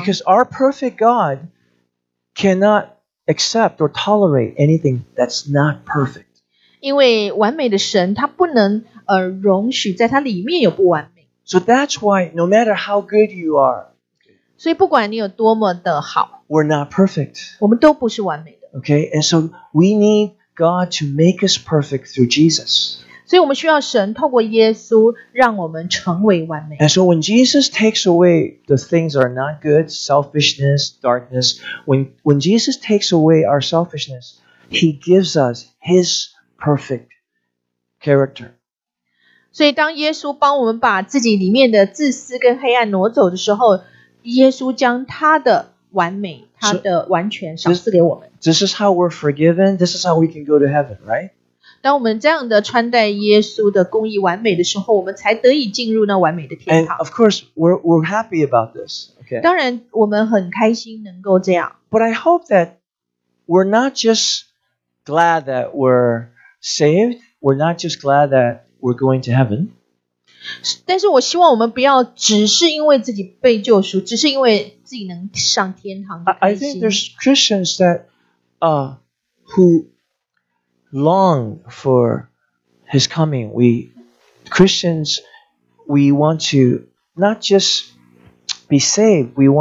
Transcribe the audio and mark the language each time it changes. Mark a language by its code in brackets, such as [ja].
[en] Because our perfect God cannot accept or tolerate anything that's not perfect. [zh] 因为完美的神他不能容许在他里面有不完美。 [en] So that's why no matter how good you are, [zh] 所以不管你有多么的好 [en] We're not perfect. [zh] 我们都不是完美的。 [en] Okay, and so we need God to make us perfect through Jesus. [zh] 所以我们需要神透过耶稣让我们成为完美。 [en] And so when Jesus takes away the things that are not good, selfishness, darkness, when Jesus takes away our selfishness, he gives us his perfect character. [zh] 所以当耶稣帮我们把自己里面的自私跟黑暗挪走的时候耶稣将他的完美他的完全赏赐给我们。 [en] This is how we're forgiven. This is how we can go to heaven, right? [zh] 当我们这样的穿戴耶稣的公义完美的时候我们才得以进入那完美的天堂。 [en] And of course, we're happy about this. Okay. [zh] 当然我们很开心能够这样。 [en] But I hope that we're not just glad that we're saved. We're not just glad that we're going to heaven. [zh] 但是我希望我们不要只是因为自己被救赎，只是因为自己能上天堂开心。 [en] I think there's Christians that, who long for His coming. We Christians, we want to not just be saved.